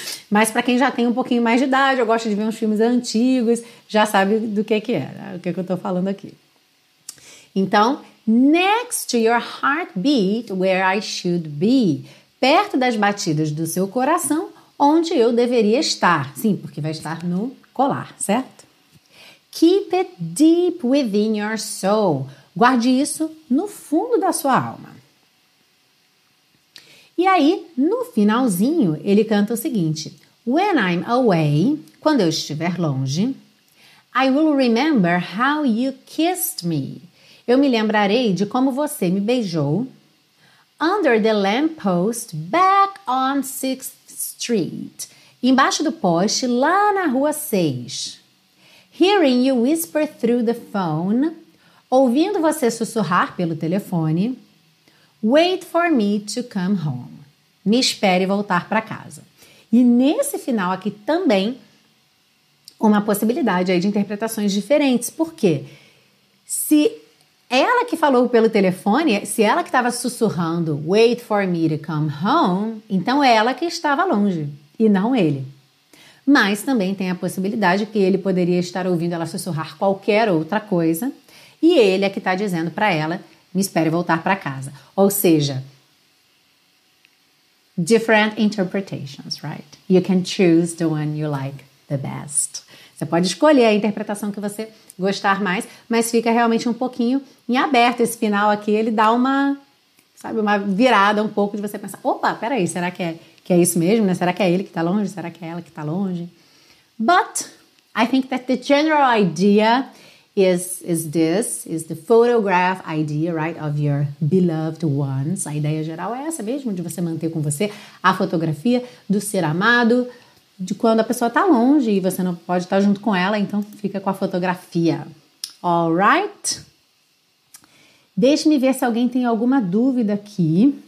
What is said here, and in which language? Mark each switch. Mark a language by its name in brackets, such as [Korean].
[Portuguese] Mas para quem já tem um pouquinho mais de idade, eu gosto de ver uns filmes antigos, já sabe do que é, né? O que eu estou falando aqui. Então, [English] next to your heartbeat, where I should be. [Portuguese] Perto das batidas do seu coração, onde eu deveria estar. Sim, porque vai estar no colar, certo? [English] Keep it deep within your soul. [Portuguese] Guarde isso no fundo da sua alma. E aí, no finalzinho, ele canta o seguinte. [English] When I'm away, [Portuguese] quando eu estiver longe, [English] I will remember how you kissed me. [Portuguese] Eu me lembrarei de como você me beijou. [English] Under the lamppost, back on 6th Street. [Portuguese] Embaixo do poste, lá na rua 6. [English] Hearing you whisper through the phone. [Portuguese] Ouvindo você sussurrar pelo telefone. [English] Wait for me to come home. [Portuguese] Me espere voltar para casa. E nesse final aqui também, uma possibilidade aí de interpretações diferentes. Por quê? Se ela que falou pelo telefone, se ela que estava sussurrando, [English] wait for me to come home, [Portuguese] então é ela que estava longe e não ele. Mas também tem a possibilidade que ele poderia estar ouvindo ela sussurrar qualquer outra coisa e ele é que está dizendo para ela, me espere voltar para casa. Ou seja, [English] different interpretations, right? You can choose the one you like the best. [Portuguese] Você pode escolher a interpretação que você gostar mais, mas fica realmente um pouquinho em aberto esse final aqui. Ele dá uma, sabe, uma virada um pouco de você pensar, opa, peraí, será que é isso mesmo, né? Será que é ele que tá longe? Será que é ela que tá longe? [English] But I think that the general idea is the photograph idea, right, of your beloved ones. [Portuguese] A ideia geral é essa mesmo, de você manter com você a fotografia do ser amado, de quando a pessoa tá longe e você não pode estar junto com ela, então fica com a fotografia. Alright? Deixe-me ver se alguém tem alguma dúvida aqui.